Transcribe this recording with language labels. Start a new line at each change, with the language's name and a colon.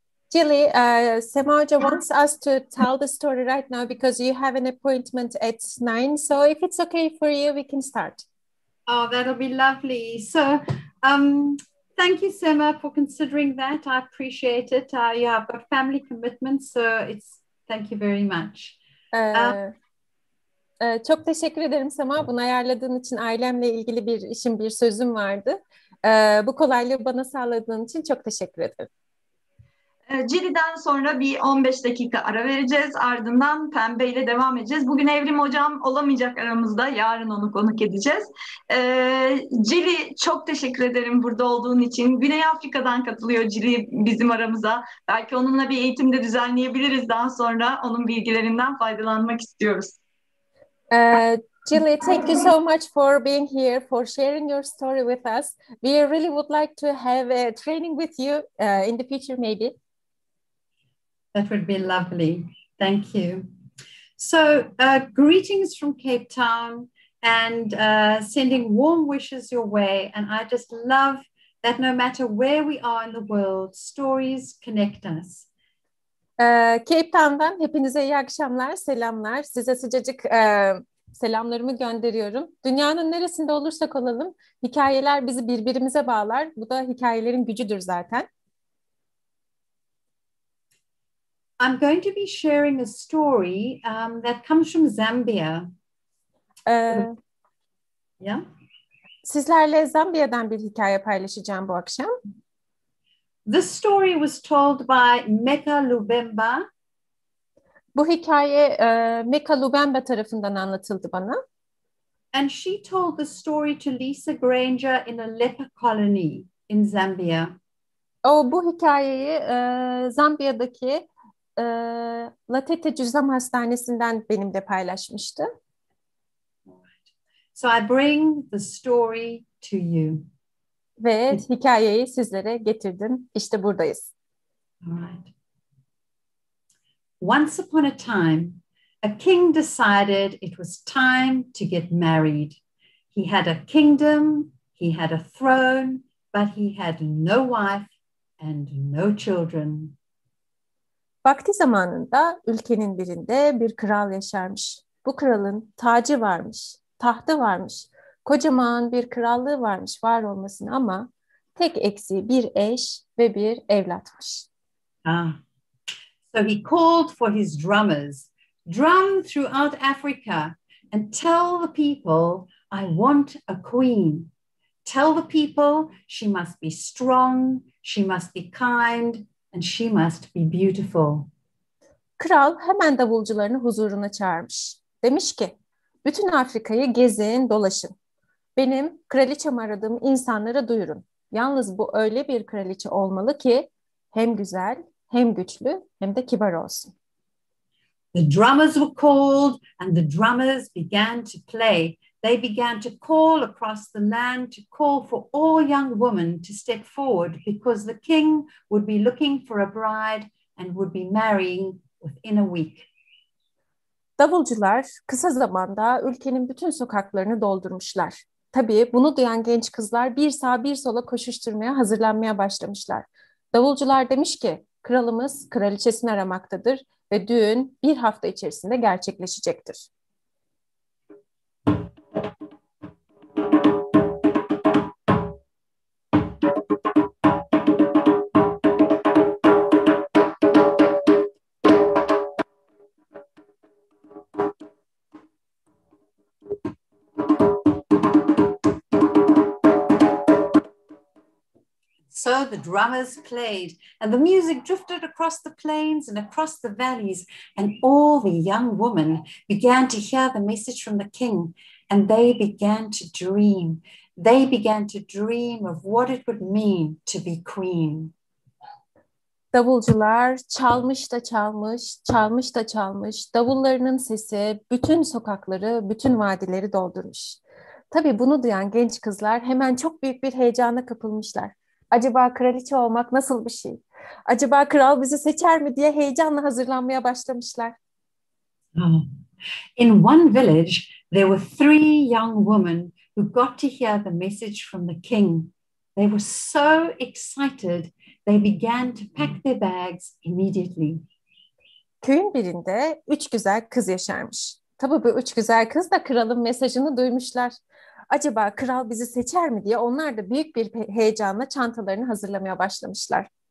English: Cili, Sema Hoca wants us to tell the story right now because you have an appointment at 9. So if it's okay for you, we can start. Oh, that'll be lovely. So thank you, Sema, for considering that. I appreciate it. Yeah, I've got family commitments, so it's thank you very much.
Turkish: Çok teşekkür ederim Sema. Bunu ayarladığın için ailemle ilgili bir işim, bir sözüm vardı. Bu kolaylığı bana sağladığın için çok teşekkür ederim. Cili'den sonra bir 15 dakika ara vereceğiz. Ardından Pembe ile devam edeceğiz. Bugün Evrim Hocam olamayacak aramızda. Yarın onu konuk edeceğiz. Cili, çok teşekkür ederim burada olduğun için. Güney Afrika'dan katılıyor Cili bizim aramıza. Belki onunla bir eğitim de düzenleyebiliriz daha sonra. Onun bilgilerinden faydalanmak istiyoruz.
English: Cili, thank you so much for being here, for sharing your story with us. We really would like to have a training with you in the future maybe. That would be lovely. Thank you. So greetings from Cape Town and sending warm wishes your way. And I just love that no matter where we are in the world, stories connect us.
Turkish: Cape Town'dan hepinize iyi akşamlar, selamlar. Size sıcacık selamlarımı gönderiyorum. Dünyanın neresinde olursak olalım, hikayeler bizi birbirimize bağlar. Bu da hikayelerin gücüdür zaten.
English: I'm going to be sharing a story that comes from Zambia.
Turkish: Sizlerle Zambiya'dan bir hikaye paylaşacağım bu akşam.
English: This story was told by Meka Lubemba.
Turkish: Bu hikaye Meka Lubemba tarafından anlatıldı bana.
English: And she told the story to Lisa Granger in a leper colony in Zambia.
Turkish: O bu hikayeyi Zambiya'daki Latete Cüzzam Hastanesi'nden benimle paylaşmıştı.
English: So I bring the story to you.
Turkish: Ve hikayeyi sizlere getirdim. İşte buradayız.
English: Alright. Once upon a time, a king decided it was time to get married. He had a kingdom, he had a throne, but he had no wife and no children.
Turkish: Vakti zamanında ülkenin birinde bir kral yaşarmış. Bu kralın tacı varmış, tahtı varmış. Kocaman bir krallığı varmış var olmasına ama tek eksiği bir eş ve bir evlatmış. Ah.
English: So he called for his drummers. Drum throughout Africa and tell the people I want a queen. Tell the people she must be strong, she must be kind and she must be beautiful.
Turkish: Kral hemen davulcularını huzuruna çağırmış. Demiş ki, bütün Afrika'yı gezin, dolaşın. Benim kraliçem aradığım insanlara duyurun. Yalnız bu öyle bir kraliçe olmalı ki hem güzel, hem güçlü, hem de kibar olsun.
English: The drummers were called and the drummers began to play. They began to call across the land to call for all young women to step forward because the king would be looking for a bride and would be marrying within a week.
Turkish: Davulcular kısa zamanda ülkenin bütün sokaklarını doldurmuşlar. Tabii bunu duyan genç kızlar bir sağa bir sola koşuşturmaya hazırlanmaya başlamışlar. Davulcular demiş ki, kralımız kraliçesini aramaktadır ve düğün bir hafta içerisinde gerçekleşecektir.
English: So the drummers played, and the music drifted across the plains and across the valleys, and all the young women began to hear the message from the king, and they began to dream. They began to dream of what it would mean to be queen.
Turkish: Davulcular çalmış da çalmış, çalmış da çalmış, davullarının sesi bütün sokakları, bütün vadileri doldurmuş. Tabii bunu duyan genç kızlar hemen çok büyük bir heyecana kapılmışlar. Acaba kraliçe olmak nasıl bir şey? Acaba kral bizi seçer mi diye heyecanla hazırlanmaya başlamışlar.
English: In one village, there were three young women who got to hear the message from the king. They were so excited, they began to pack their bags immediately.
Turkish: Köyün birinde üç güzel kız yaşarmış. Tabii bu üç güzel kız da kralın mesajını duymuşlar. Acaba kral bizi seçer mi diye onlar da büyük bir heyecanla çantalarını hazırlamaya başlamışlar.